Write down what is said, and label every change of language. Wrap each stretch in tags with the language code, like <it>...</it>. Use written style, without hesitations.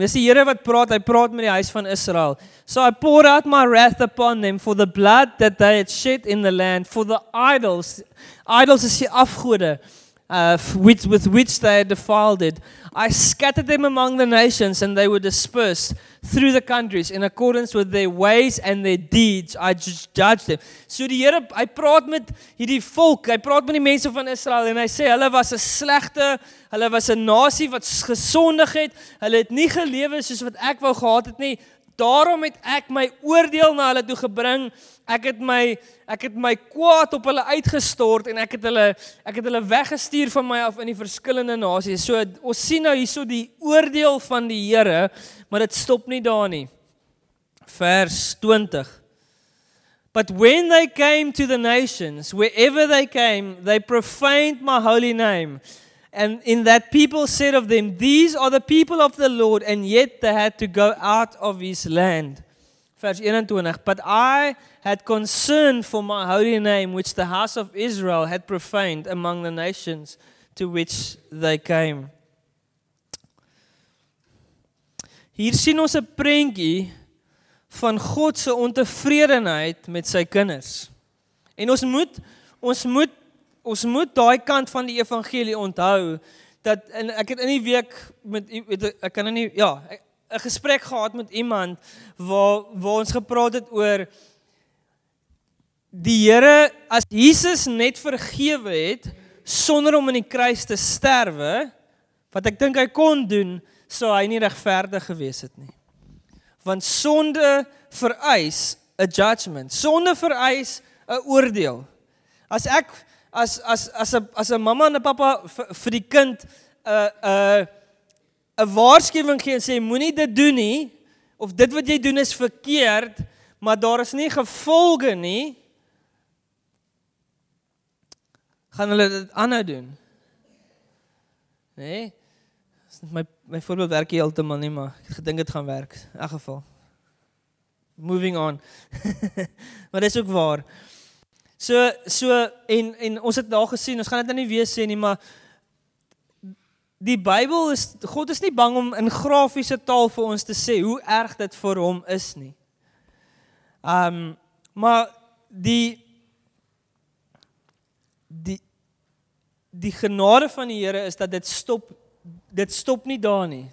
<af>Dis die Here wat praat, hy praat met die huis van Israel.</af> <en>So I poured out my wrath upon them for the blood that they had shed in the land, for the idols. Idols</en> <af>is die afgode</af> <en>with which they had defiled it. I scattered them among the nations and they were dispersed through the countries in accordance with their ways and their deeds. I judged them.</en> <af>So die Here, hy praat met hierdie volk, hy praat met die mense van Israel en hy sê hulle was 'n slegte, hulle was 'n nasie wat gesondig het, hulle het nie gelewe soos wat ek wou gehad het nie. Daarom het ek my oordeel na hulle toe gebring. Ek het my kwaad op hulle uitgestort en ek het hulle weggestuur van my af in die verskillende nasies. So ons sien nou hierso die oordeel van die Here, maar dit stop nie daar nie. Vers 20.</af> <en>But when they came to the nations, wherever they came, they profaned my holy name. And in that people said of them, these are the people of the Lord, and yet they had to go out of his land.</en> <af>Vers 21,</af> <en>but I had concern for my holy name, which the house of Israel had profaned among the nations to which they came.</en> <af>Hier sien ons 'n prentjie van God se ontevredenheid met sy kinders. En ons moet daai kant van die evangelie onthou dat ek het 'n gesprek gehad met iemand waar ons gepraat het oor die Here as Jesus net vergewe het sonder om in die kruis te sterwe wat ek dink hy kon doen sou hy nie regverdig gewees het nie want sonde vereis 'n judgment, sonde vereis 'n oordeel. As 'n mamma en 'n papa vir die kind 'n waarskuwing gee en sê moenie dit doen nie of dit wat jy doen is verkeerd, maar daar is nie gevolge nie, gaan hulle dit aanhou doen. Nee? My voorbeeld werk nie heeltemal nie, maar ek gedink dit gaan werk in elk geval.</af> <en>Moving on.</en> <af>Maar dis ook waar. So, en ons het daar gesien, ons gaan dit nou nie weer sê nie, maar die Bybel is, God is nie bang om in grafiese taal vir ons te sê hoe erg dit vir hom is nie. Maar die genade van die Here is dat dit stop nie daar nie.</af>